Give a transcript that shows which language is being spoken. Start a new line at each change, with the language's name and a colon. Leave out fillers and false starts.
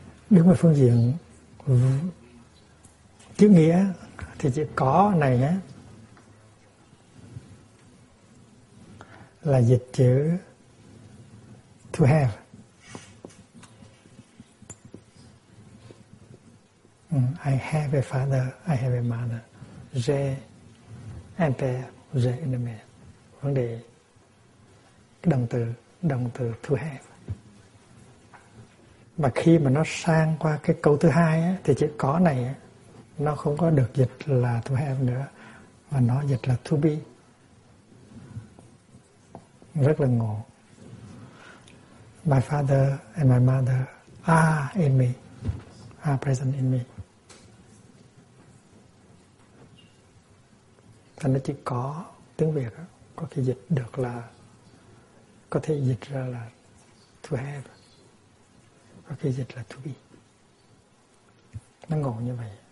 Vietnamese: Đứng về phương diện chữ nghĩa thì chữ có này á là dịch chữ to have.
English: I have a father, I have a mother. They and there, they and the man.
Vietnamese: Vấn đề động từ to have. Và khi mà nó sang qua cái câu thứ hai á, thì chữ có này á, nó không có được dịch là to have nữa, mà nó dịch là to be. Rất là ngộ.
English: My father and my mother are in me, are present in me.
Vietnamese: Thành nó chỉ có tiếng Việt đó, có thể dịch được là, có thể dịch ra là to have, có thể dịch là to be. Nó ngộ như vậy.